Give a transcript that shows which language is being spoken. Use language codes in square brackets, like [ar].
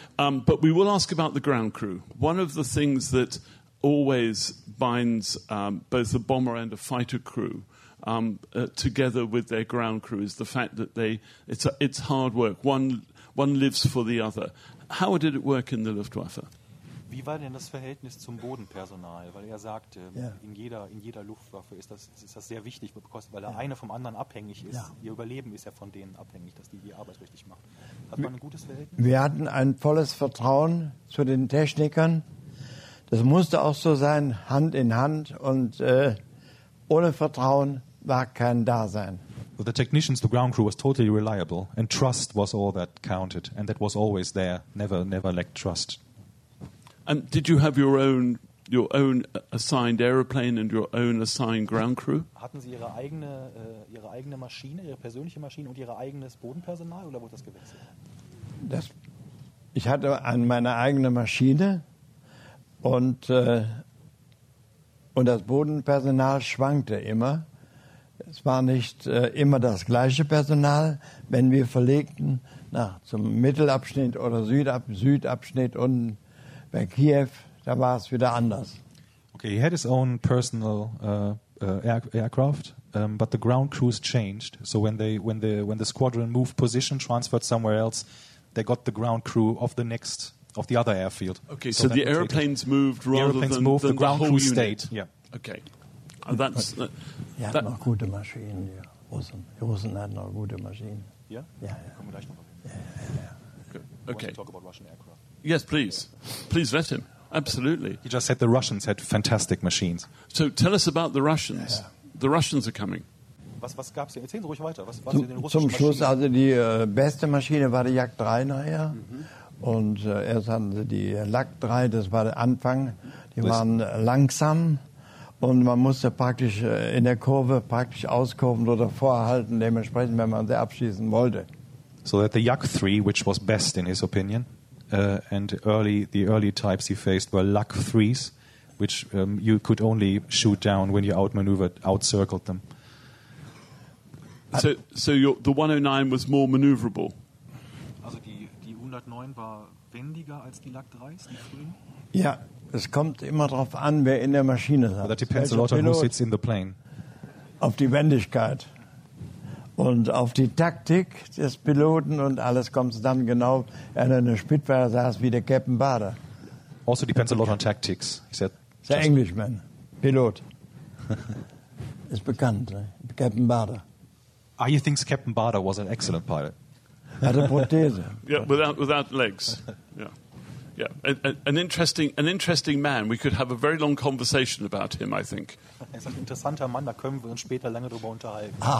[en] But we will ask about the ground crew. One of the things that always binds both a bomber and a fighter crew together with their ground crew is the fact that it's hard work. One lives for the other. How did it work in the Luftwaffe? [de] Wie war denn das Verhältnis zum Bodenpersonal? Weil er sagte, in jeder Luftwaffe ist das sehr wichtig, weil der eine vom anderen abhängig ist. Ja. Ihr Überleben ist ja von denen abhängig, dass die Arbeit richtig machen. Hat man ein gutes Verhältnis? Wir hatten ein volles Vertrauen zu den Technikern. Das musste auch so sein, Hand in Hand. Und ohne Vertrauen war kein Dasein. [en] With the technicians, the ground crew was totally reliable. And trust was all that counted. And that was always there. Never, never lacked trust. And did you have your own assigned aeroplane and your own assigned ground crew? [de] Hatten Sie ihre eigene Maschine, ihre persönliche Maschine und ihr eigenes Bodenpersonal oder wurde das gewechselt? Ich hatte meine eigene Maschine und das Bodenpersonal schwankte immer. Es war nicht immer das gleiche Personal, wenn wir verlegten nach zum Mittelabschnitt oder Südabschnitt und bei Kiew, da war es wieder anders. [en] Okay, he had his own personal aircraft, but the ground crews changed. So when the squadron moved position, transferred somewhere else, they got the ground crew of the other airfield. Okay, so the airplanes moved rather than the ground crew stayed. Yeah. Okay. And that's. [de] Er hat noch gute Maschinen. Die Russen hatten noch gute Maschinen. [en] Yeah. Yeah. [de] Ja. Kommen wir gleich noch. Okay. [en] Talk about Russian aircraft. Yes, please let him. Absolutely. He just said the Russians had fantastic machines. So tell us about the Russians. Yeah. The Russians are coming. [de] Was gab's denn? Erzählen Sie ruhig weiter. Was zum, den zum Schluss, also die beste Maschine war die Jak 3 nachher. Mm-hmm. Und erst hatten sie die Lak 3, das war der Anfang. Die waren langsam und man musste praktisch in der Kurve praktisch auskurven oder vorhalten, dementsprechend, wenn man sie abschießen wollte. [en] So that the Jak 3, which was best in his opinion, and the early types he faced were Luck 3s, which you could only shoot down when you outmaneuvered, outcircled them. So the 109 was more maneuverable. [de] Also die 109 war wendiger als die Luck 3s, die frühen? Ja, es kommt immer darauf an, wer in der Maschine sitzt. [en] That depends a lot on who sits in the plane. [de] Auf die Wendigkeit und auf die Taktik des Piloten und alles kommt dann genau, wenn er in der Spitfire saß, wie der Captain Bader. [en] Also depends a lot on tactics. Is that the Englishman, Pilot. [de] Ist bekannt, Captain Bader. [en] Ah, you think Captain Bader was an excellent pilot? [de] Hatte Prothese. [en] Yeah, without legs. Yeah. Yeah, an interesting man. We could have a very long conversation about him, I think. [de] Er ist ein interessanter Mann, da können wir uns später lange drüber unterhalten.